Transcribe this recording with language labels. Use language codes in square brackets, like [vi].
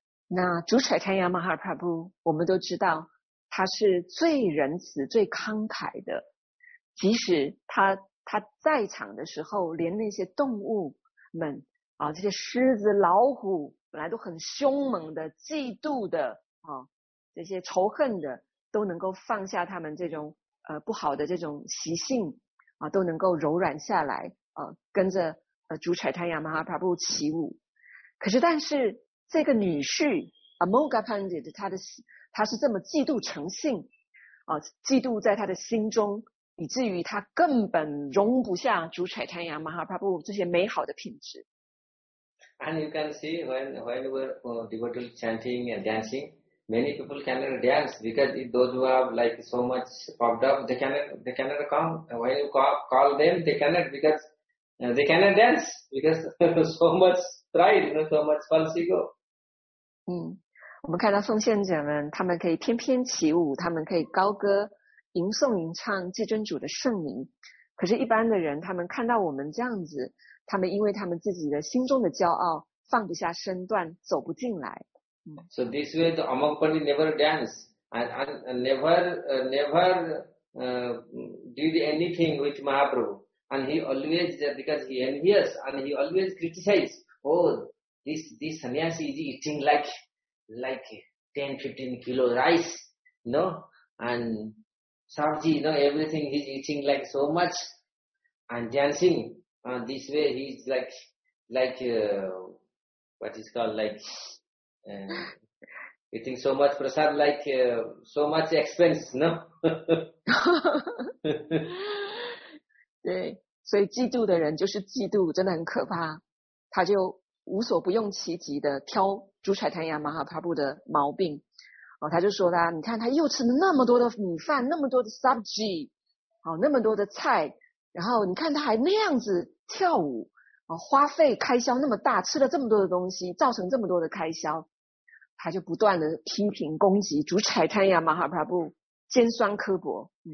[zh] 那主揣坦亚马哈帕布，我们都知道他是最仁慈最慷慨的，即使他在场的时候，连那些动物们啊，这些狮子老虎本来都很凶猛的嫉妒的啊，这些仇恨的都能够放下他们这种不好的这种习性啊，都能够柔软下来啊，跟着主揣坦亚马哈帕布起舞。可是但是这个女婿 Amoga Pandit， 她是这么嫉妒成性，嫉妒在她的心中，以至于她根本容不下主揣坦亚马哈帕布这些美好的品质。 [en] And you can see when we're devotees chanting and dancing, many people cannot dance because those who have like so much popped up, they cannot come. When you call them, they cannot because. They cannot dance because so much pride, so much false ego. [zh] 我们看到奉献者们，他们可以翩翩起舞，他们可以高歌、吟诵、吟唱至尊主的圣名。可是，一般的人，他们看到我们这样子，他们因为他们自己的心中的骄傲，放不下身段，走不进来。 [en] So this way, the Amokpani never dance and never did anything with Mahaprabhu. And he always, because he envious, and he always criticize, oh, this sannyasi is eating like 10, 15 kilo rice, no? And sabji, you know, everything he's eating like so much, and dancing, and this way he's eating so much prasad, so much expense, no? [zh] 对。所以嫉妒的人就是嫉妒，真的很可怕。他就无所不用其极的挑主揣坦亚马哈帕布的毛病，他就说他，你看他又吃了那么多的米饭，那么多的 sabji， 那么多的菜，然后你看他还那样子跳舞，花费开销那么大，吃了这么多的东西，造成这么多的开销，他就不断的批评攻击主揣坦亚马哈帕布，尖酸刻薄。